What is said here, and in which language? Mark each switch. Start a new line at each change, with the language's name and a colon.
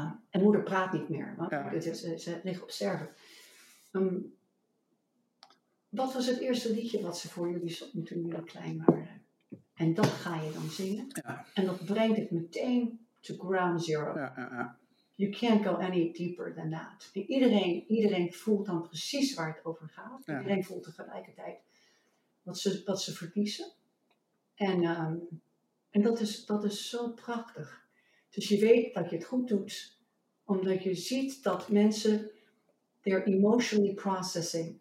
Dutch: En moeder praat niet meer, want ze ligt op sterven. Wat was het eerste liedje wat ze voor jullie zong toen jullie klein waren? En dat ga je dan zingen. Ja. En dat brengt het meteen
English: to ground zero.
Dutch: Ja.
English: You can't go any deeper than that.
Dutch: Iedereen voelt dan precies waar het over gaat. Ja. Iedereen voelt tegelijkertijd wat ze verliezen. En dat is zo prachtig. Dus je weet dat je het goed doet, omdat je ziet dat mensen,
English: they're emotionally processing.